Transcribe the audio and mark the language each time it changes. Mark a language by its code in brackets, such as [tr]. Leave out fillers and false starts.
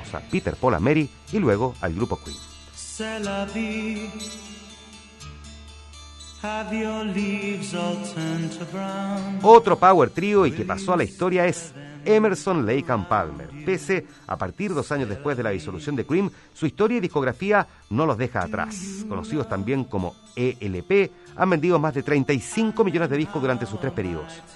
[es] Peter, Paul, Mary y luego al grupo Queen. [fr] C'est la vie. [en] Have your leaves all turned to brown. [es] Otro power trio y que pasó a la historia es Emerson, Lake and Palmer. Pese a partir 2 años después de la disolución de Cream, su historia y discografía no los deja atrás. Conocidos también como ELP, han vendido más de 35 millones de discos durante sus 3 periodos.